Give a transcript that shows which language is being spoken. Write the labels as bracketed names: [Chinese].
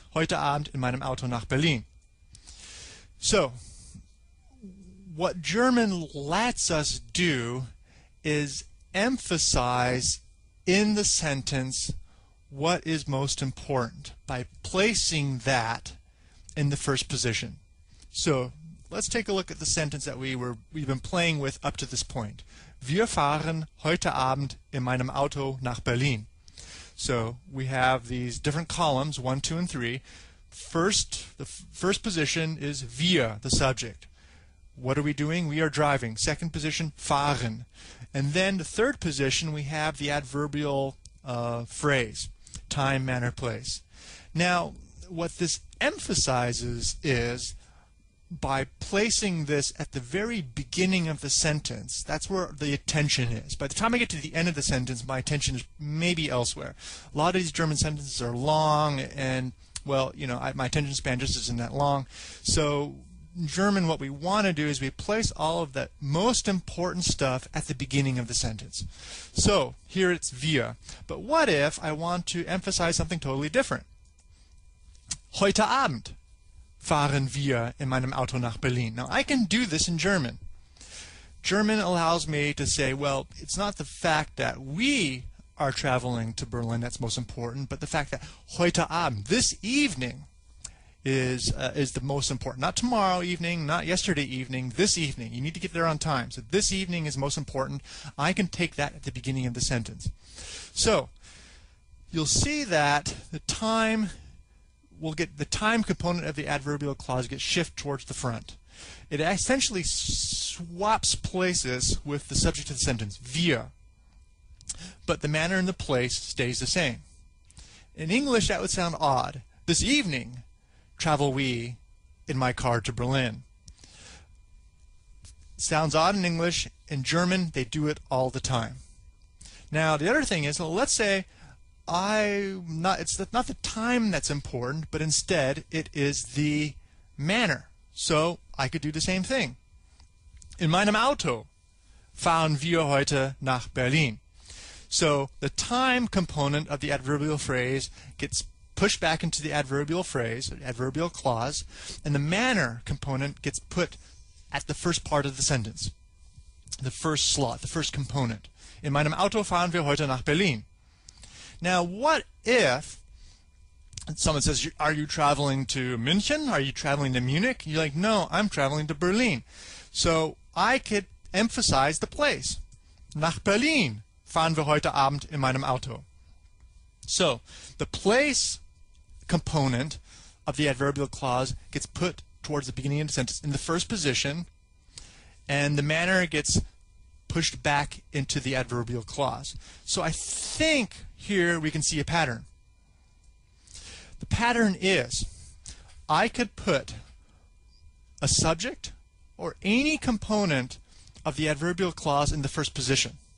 [German] Heute Abend in meinem Auto nach Berlin. [English] So, what German lets us do is emphasize in the sentence what is most important by placing that in the first position. So, let's take a look at the sentence that we've been playing with up to this point. [German] Wir fahren heute Abend in meinem Auto nach Berlin. [English] So, we have these different columns, 1, 2, and 3. The first position is wir, the subject. What are we doing? We are driving. Second position, fahren. And then the third position, we have the adverbial phrase, time, manner, place. Now, what this emphasizes is by placing this at the very beginning of the sentence, that's where the attention is. By the time I get to the end of the sentence, my attention is maybe elsewhere. A lot of these German sentences are long and, well, you know, my attention span just isn't that long. So in German, what we want to do is we place all of that most important stuff at the beginning of the sentence. So here it's wir. But what if I want to emphasize something totally different? [German] Heute Abend fahren wir in meinem Auto nach Berlin. [English] Now, I can do this in German. German allows me to say, well, it's not the fact that we are traveling to Berlin that's most important, but the fact that heute Abend, this evening, is the most important. Not tomorrow evening, not yesterday evening, this evening. You need to get there on time. So this evening is most important. I can take that at the beginning of the sentence. So you'll see that the time component of the adverbial clause gets shift towards the front. It essentially swaps places with the subject of the sentence, wir. But the manner and the place stays the same. In English, that would sound odd. This evening, travel we in my car to Berlin. Sounds odd in English. In German, they do it all the time. Now, the other thing is, well, let's say it's not the time that's important, but instead it is the manner. So I could do the same thing. [German] In meinem Auto fahren wir heute nach Berlin. [English] So the time component of the adverbial phrase gets pushed back into the adverbial phrase, adverbial clause, and the manner component gets put at the first part of the sentence, the first slot, the first component. [German] In meinem Auto fahren wir heute nach Berlin. [English] Now, what if someone says, are you traveling to München? Are you traveling to Munich? You're like, no, I'm traveling to Berlin. So I could emphasize the place. [German] Nach Berlin fahren wir heute Abend in meinem Auto. [English] So the place component of the adverbial clause gets put towards the beginning of the sentence in the first position, and the manner gets pushed back into the adverbial clause. So I think here we can see a pattern. The pattern is, I could put a subject or any component of the adverbial clause in the first position.